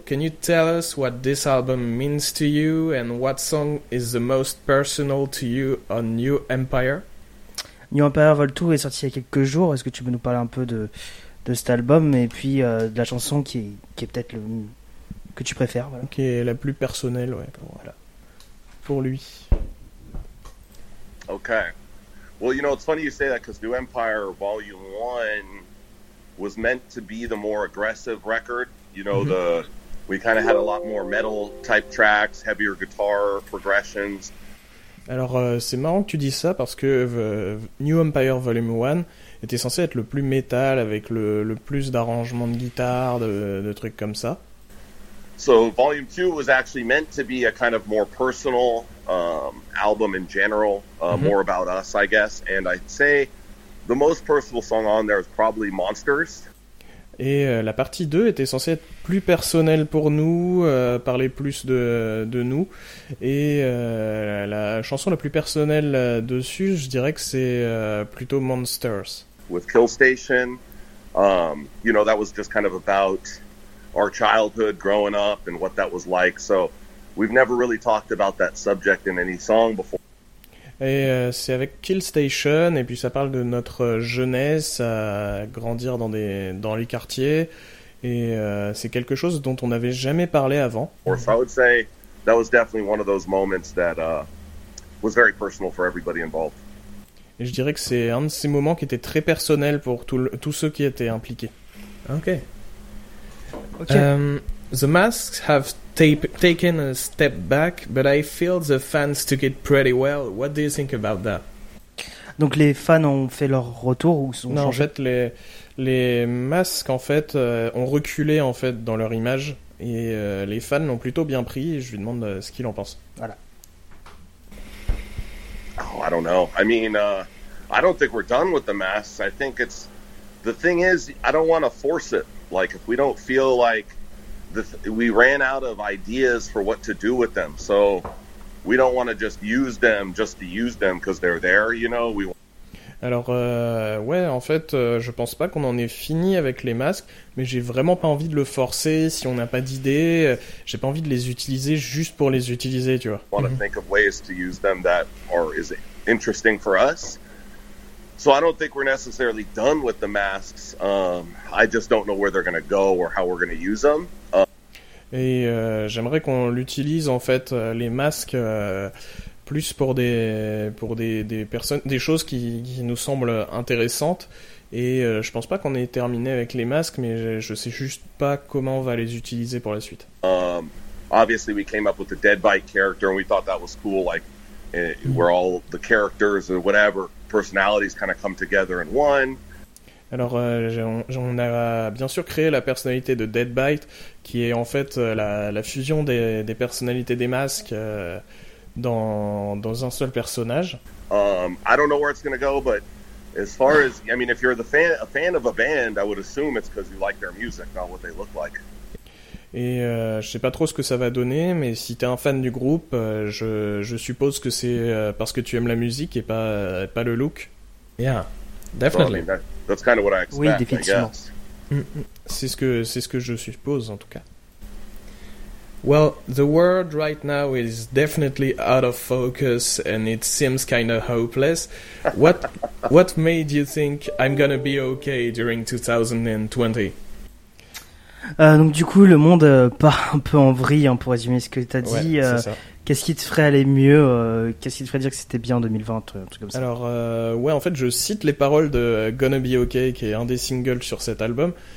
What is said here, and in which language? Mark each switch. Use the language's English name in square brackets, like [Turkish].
[English] Can you tell us what this album means to you and what song is the most personal to you on New Empire? [French] New Empire Volume 2 est sorti il y a quelques jours. Est-ce que tu peux nous parler un peu de cet album et puis de la chanson qui est peut-être le que tu préfères, voilà. Qui est la plus personnelle, ouais. Voilà. Pour lui. [English] Okay. Well, you know, it's funny you say that because New Empire Volume 1 was meant to be the more aggressive record. You know, we kind of had a lot more metal type tracks, heavier guitar progressions. [French] Alors, c'est marrant que tu dises ça parce que New Empire Volume 1 était censé être le plus metal avec le plus d'arrangements de guitare, de trucs comme ça. [English] So, Volume 2 was actually meant to be a kind of more personal album in general, more about us, I guess. And I'd say the most personal song on there is probably Monsters. [French] Et la partie 2 était censée être plus personnelle pour nous, parler plus de nous. Et la chanson la plus personnelle dessus, je dirais que c'est plutôt Monsters. [English] With Killstation, you know, that was just kind of about our childhood growing up and what that was like. So we've never really talked about that subject in any song before. [French] Et c'est avec Killstation, et puis ça parle de notre jeunesse à grandir dans les quartiers, et c'est quelque chose dont on n'avait jamais parlé avant. [English] So I would say that was definitely one of those moments that was very personal for everybody involved. [French] Et je dirais que c'est un de ces moments qui était très personnel pour tous ceux qui étaient impliqués. [English] Okay. The masks have taken a step back, but I feel the fans took it pretty well. What do you think about that? [French] Donc les fans ont fait leur retour ou sont changés? Non, en fait les masques en fait ont reculé en fait dans leur image et les fans l'ont plutôt bien pris. Et je lui demande ce qu'il en pense. Voilà. [English] Oh, I don't know. I mean, I don't think we're done with the masks. I think it's the thing is, I don't want to force it. Like, if we don't feel like we ran out of ideas for what to do with them, so we don't want to just use them because they're there, you know. [French] Alors, ouais, en fait, je pense pas qu'on en ait fini avec les masques, mais j'ai vraiment pas envie de le forcer si on n'a pas d'idées. J'ai pas envie de les utiliser juste pour les utiliser, tu vois. [English] Want to think of ways to use them that are is interesting for us. So I don't think we're necessarily done with the masks. I just don't know where they're going to go or how we're going to use them. [French] Et j'aimerais qu'on l'utilise en fait les masques plus pour des personnes, des choses qui nous semblent intéressantes. Et je pense pas qu'on ait terminé avec les masques, mais je sais juste pas comment on va les utiliser pour la suite. [English] Obviously, we came up with the Deadbite character, and we thought that was cool. Like, we're all the characters or whatever. Personalities kind of come together in one. [French] Alors, on a bien sûr créé la personnalité de Deadbite, qui est en fait la fusion des personnalités des masques dans un seul personnage. [English] I don't know where it's going to go, but as far as I mean, if you're a fan of a band, I would assume it's because you like their music, not what they look like. [French] Et je sais pas trop ce que ça va donner, mais si t'es un fan du groupe, je suppose que c'est parce que tu aimes la musique et pas le look. [English] Yeah, definitely. Well, I mean, that's kind of what I expect. [French] Oui, définitivement. C'est ce que je suppose en tout cas. [English] Well, the world right now is definitely out of focus and it seems kind of hopeless. What made you think I'm gonna be okay during 2020? [French] Donc du coup, le monde part un peu en vrille, hein, pour résumer ce que tu as ouais, dit. Qu'est-ce qui te ferait aller mieux? Qu'est-ce qui te ferait dire que c'était bien en 2020, un truc comme ça? Alors, ouais, en fait, je cite les paroles de Gonna Be Okay, qui est un des singles sur cet album.